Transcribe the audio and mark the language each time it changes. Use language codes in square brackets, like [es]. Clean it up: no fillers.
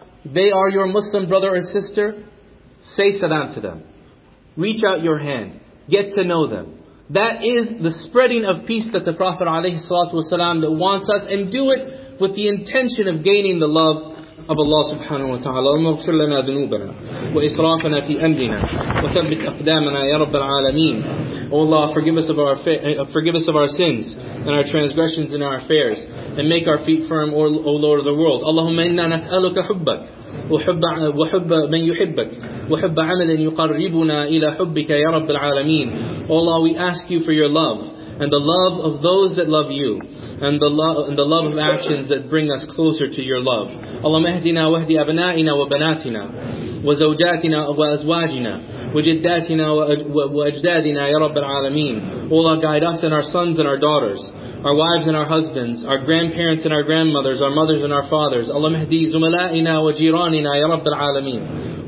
[en] They are your Muslim brother or sister. Say salam to them. Reach out your hand. Get to know them. That is the spreading of peace that the Prophet ﷺ that wants us, and do it with the intention of gaining the love of Allah subhanahu wa ta'ala. [ar] اللهم اغفر لنا ذنوبنا وإسرافنا في أمرنا وثبت أقدامنا يا رب العالمين. [en] O Allah, forgive us of our sins and our transgressions in our affairs, and make our feet firm, O Lord of the world. [ar] Allahumma inna nas'aluka hubbak وحب من يحبك وحب عمل يقربنا إلى حبك يا رب العالمين. [en] O Allah, we ask you for your love and the love of those that love you, and the love of actions that bring us closer to your love. [ar] اللهم اهدنا واهد أبنائنا وبناتنا وزوجاتنا وأزواجنا وجداتنا وأجدادنا يا رب العالمين. [en] O Allah, guide us and our sons and our daughters, our wives and our husbands, our grandparents and our grandmothers, our mothers and our fathers. [ar] اللهم اهد زملائنا وجيراننا يا رب العالمين.